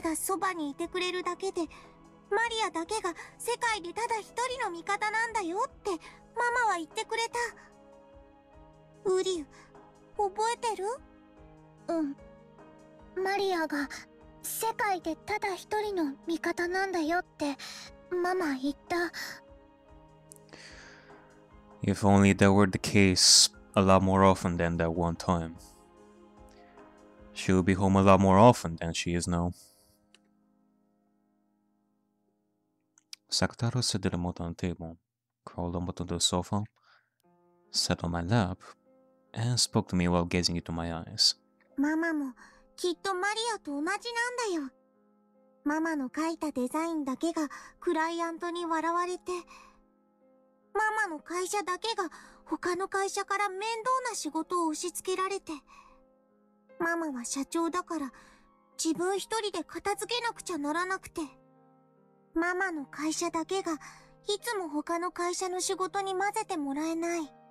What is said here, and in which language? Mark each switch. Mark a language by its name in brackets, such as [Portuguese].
[Japanese] ただそばにいてくれるだけで、マリアだけが世界でただ一人の味方なんだよって、ママは言ってくれた。ウリュ、覚えてる？うん。マリアが、世界でただ一人の味方なんだよって、ママ言った。 [English] If only that were the case a lot more often than that one time. She will be home a lot more often than she is now. Sakutaro set the remote on the table, crawled up onto the sofa, sat on my lap, and spoke to me while gazing into my eyes. [Japanese] Mama もきっとマリアと同じなんだよ。ママの描いたデザインだけがクライアントに笑われて、ママの会社だけが他の会社から面倒な仕事を押し付けられて、ママは社長だから自分一人で片付けなくちゃならなくて、ママの会社だけがいつも他の会社の仕事に混ぜてもらえない。